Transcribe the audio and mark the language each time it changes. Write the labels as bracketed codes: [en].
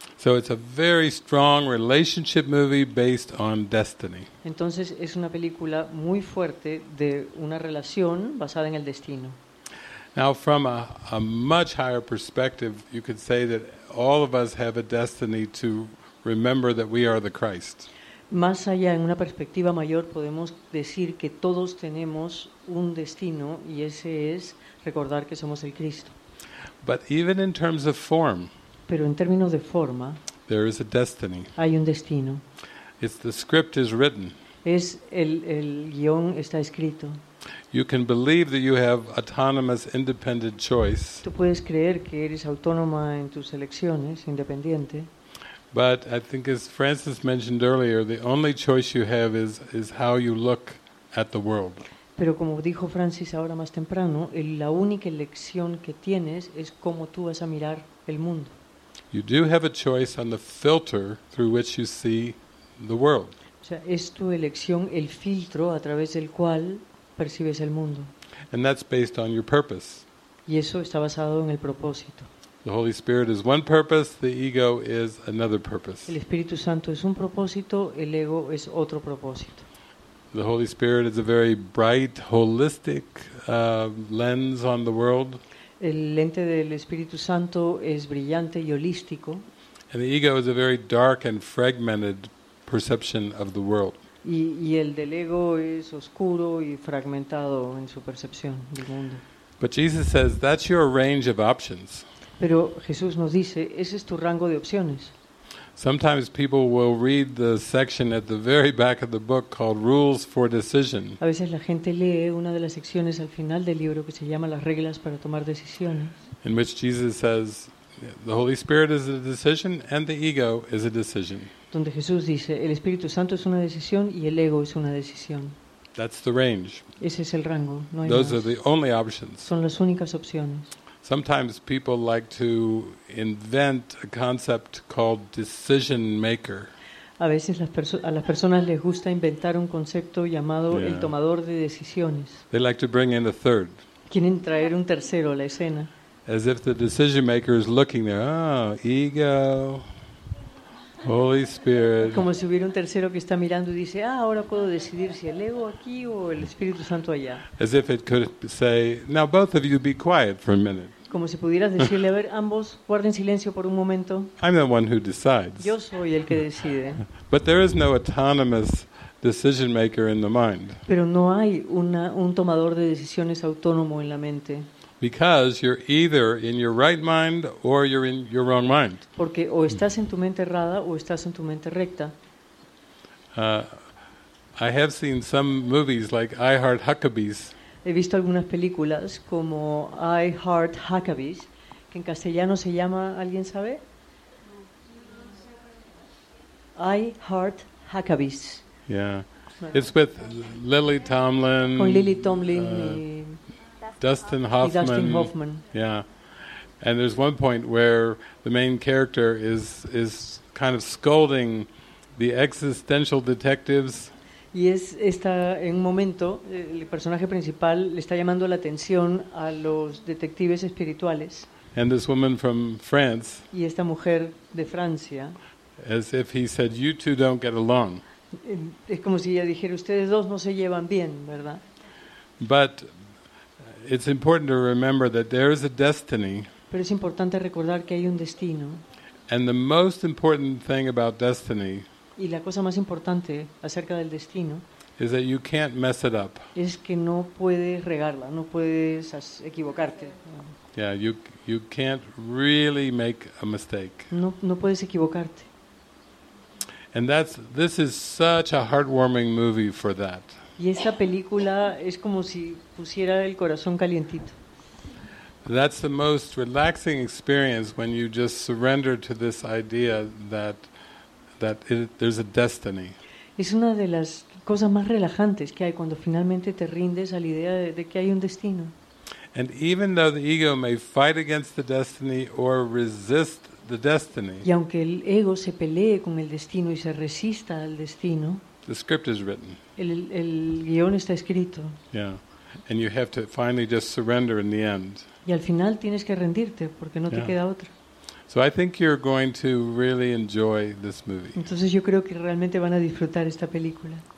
[en] So it's a very strong relationship movie based on destiny. [es] Entonces es una película muy fuerte de una relación basada en el destino. [en] Now, from a much higher perspective, you could say that all of us have a destiny to remember that we are the Christ. [es] Más allá, en una perspectiva mayor, podemos decir que todos tenemos un destino, y ese es recordar que somos el Cristo. [en] But even in terms of form, [es] pero en términos de forma, [en] there is a destiny. [es] Hay un destino. [en] It's the script is written. [es] Es el guion está escrito. [en] You can believe that you have autonomous, independent choice. [es] Tú puedes creer que eres autónoma en tus elecciones, independiente. [en] But I think, as Francis mentioned earlier, the only choice you have is how you look at the world. [es] Pero como dijo Francis ahora más temprano, la única elección que tienes es cómo tú vas a mirar el mundo. [en] You do have a choice on the filter through which you see the world. [es] O sea, es tu elección el filtro a través del cual percibes el mundo. [en] And that's based on your purpose. [es] Y eso está basado en el propósito. [en] The Holy Spirit is one purpose, the ego is another purpose. [es] El Espíritu Santo es un propósito, el ego es otro propósito. [en] The Holy Spirit is a very bright, holistic lens on the world. [es] El lente del Espíritu Santo es brillante y holístico. [en] And the ego is a very dark and fragmented perception of the world. [es] Y el del ego es oscuro y fragmentado en su percepción del mundo. [en] But Jesus says, that's your range of options. [es] Pero Jesús nos dice, ese es tu rango de opciones. [en] Sometimes people will read the section at the very back of the book called Rules for Decision. [es] A veces la gente lee una de las secciones al final del libro que se llama Las reglas para tomar decisiones. [en] In which Jesus says, the Holy Spirit is a decision and the ego is a decision. [es] Donde Jesús dice, el Espíritu Santo es una decisión y el ego es una decisión. [en] That's the range. [es] Ese es el rango, no hay [en] Those [es] más. [en] Are the only options. [es] Son las únicas opciones. [en] Sometimes people like to invent a concept called decision maker. [es] A veces a las personas les gusta inventar un concepto llamado [en] yeah. [es] el tomador de decisiones. [en] They like to bring in a third. [es] Quieren traer un tercero a la escena. [en] As if the decision maker is looking there. Oh, ego, Holy Spirit. [es] Como si hubiera un tercero que está mirando y dice, ah, ahora puedo decidir si el ego aquí o el Espíritu Santo allá. [en] As if it could say, now both of you be quiet for a minute. [es] Como si pudieras decirle, a ver, ambos guarden silencio por un momento. [en] I'm the one who decides. [es] Yo soy el que decide. [en] But there is no autonomous decision maker in the mind. [es] Pero no hay un tomador de decisiones autónomo en la mente. [en] Because you're either in your right mind or you're in your wrong mind. [es] Porque o estás en tu mente errada o estás en tu mente recta. [en] I have seen some movies like I Heart Huckabees. [es] He visto algunas películas como I Heart Huckabees, que en castellano se llama, ¿alguien sabe? [en] I Heart Huckabees. Yeah. It's with Lily Tomlin. [es] Con Lily Tomlin [en] Dustin Hoffman. Yeah. And there's one point where the main character is kind of scolding the existential detectives. [es] Y está en un momento, el personaje principal le está llamando la atención a los detectives espirituales. [en] And this woman from France. [es] Y esta mujer de Francia. [en] As if he said, you two don't get along. [es] Es como si ella dijera, ustedes dos no se llevan bien, ¿verdad? [en] But it's important to remember that there is a destiny. [es] Pero es importante recordar que hay un destino. [en] And the most important thing about destiny. [es] Y la cosa más importante acerca del destino. [en] Is that you can't mess it up. [es] Es que no puedes regarla, no puedes equivocarte. [en] Yeah, you can't really make a mistake. [es] No puedes equivocarte. [en] And that's this is such a heartwarming movie for that. [es] Y esta película es como si pusiera el corazón calientito. [en] That's the most relaxing experience when you just surrender to this idea that it, there's a destiny. [es] Es una de las cosas más relajantes que hay cuando finalmente te rindes a la idea de que hay un destino. [en] And even though the ego may fight against the destiny or resist the destiny. [es] Y aunque el ego se pelee con el destino y se resista al destino. [en] The script is written. [es] El guion está escrito. [en] Yeah. And you have to finally just surrender in the end. [es] Y al final tienes que rendirte porque no te queda otra. [en] So I think you're going to really enjoy this movie. [es] Entonces yo creo que realmente van a disfrutar esta película.